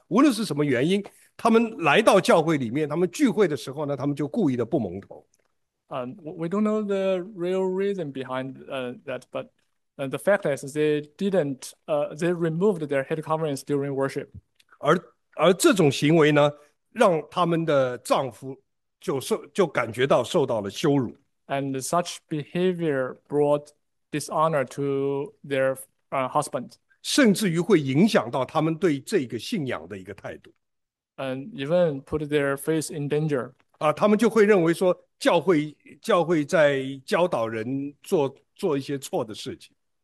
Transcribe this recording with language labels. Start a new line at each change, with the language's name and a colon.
Chinese: 无论是什么原因，他们来到教会里面，他们聚会的时候呢，他们就故意的不蒙头。
English: We don't know the real reason behind that, but the fact is they didn't they removed their head coverings during worship.
Chinese: 而这种行为呢，让他们的丈夫就感觉到受到了羞辱。
English: And such behavior brought dishonor to their husband.
Chinese: 甚至于会影响到他们对这个信仰的一个态度。
English: And even put their faith in danger.
Chinese: 他们就会认为说，教会在教导人做一些错的事情。